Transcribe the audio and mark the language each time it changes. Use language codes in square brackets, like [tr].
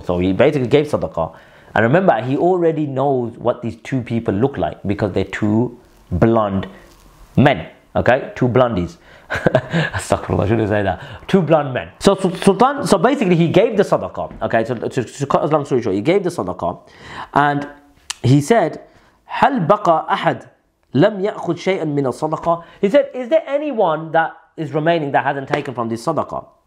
[en] So he basically gave sadaqah. And remember, he already knows what these two people look like because they're two blonde men, okay? Two blondies. Astaghfirullah, I shouldn't say that. Two blonde men. So Sultan, so basically he gave the sadaqah. Okay, so to cut a long story short, he gave the sadaqah. And he said, [ar] هَلْ بَقَى أَحَدْ لَمْ يَأْخُدْ شَيْئًا مِنَ الصَّدَقَةِ. [en] He said, is there anyone that is remaining that hasn't taken from this sadaqah?